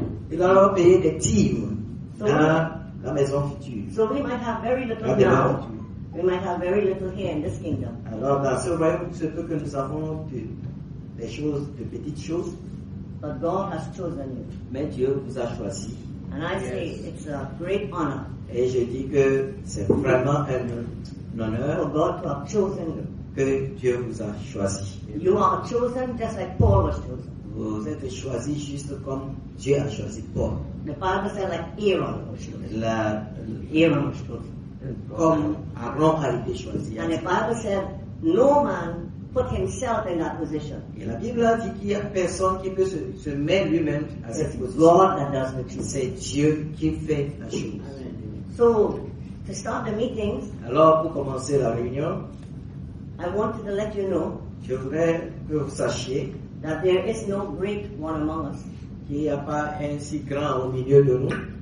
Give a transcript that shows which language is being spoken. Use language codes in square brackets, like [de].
[fr] Il va payer des tirs dans la maison future. [en] So we might have very little here. We might have very little here in this kingdom. [fr] Alors dans ce royaume, ce peu que nous avons des choses, de petites choses. [en] But God has chosen you. [fr] Mais Dieu vous a choisi. [en] And I say it's a great honor. [fr] Et je dis que c'est vraiment un honneur. [en] For God to have chosen you. [fr] Que Dieu vous a choisi. [en] You are chosen just like Paul was chosen. [fr] Vous êtes choisi juste comme Dieu a choisi Paul. [en] The Bible says like Aaron was chosen. Aaron was chosen. [fr] Comme Aaron a été choisi. [en] And the Bible said no man put himself in that position. [fr] Et la Bible a dit qu'il n'y a personne qui peut se mettre lui-même à cette position. [en] God that does the choosing. [fr] C'est Dieu qui fait la chose. [en] So, to start the meeting. [fr] Alors, pour commencer la réunion. [en] I wanted to let you know. [fr] Je voudrais que vous sachiez. [en] That there is no great one among us. [fr] Qu'il n'y a pas un si grand au milieu de nous.